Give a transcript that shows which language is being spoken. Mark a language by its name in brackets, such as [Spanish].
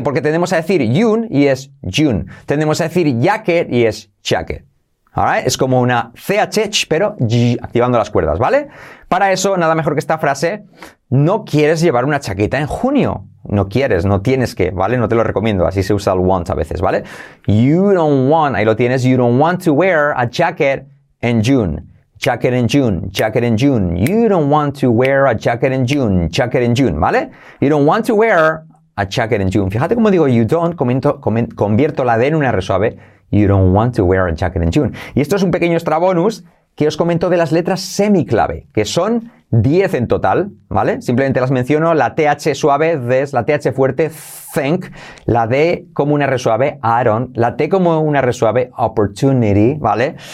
[Spanish] Porque tendemos a decir Yun y es Yun. Tendemos a decir jacket y es jacket. Alright, es como una CH, pero activando las cuerdas, ¿vale? Para eso, nada mejor que esta frase, no quieres llevar una chaqueta en junio. No quieres, no tienes que, ¿vale? No te lo recomiendo, así se usa el want a veces, ¿vale? [English] You don't want, [Spanish] ahí lo tienes, [English] you don't want to wear a jacket in June. Jacket in June, jacket in June. You don't want to wear a jacket in June, jacket in June, ¿vale? You don't want to wear a jacket in June. [Spanish] Fíjate cómo digo [English] you don't, [Spanish] convierto la D en una R suave. [English] You don't want to wear a jacket in June. [Spanish] Y esto es un pequeño extra bonus que os comento de las letras semiclave, que son 10 en total, ¿vale? Simplemente las menciono, la TH suave, this, la TH fuerte, think, la D como una R suave, I don't, la T como una R suave, opportunity, ¿vale?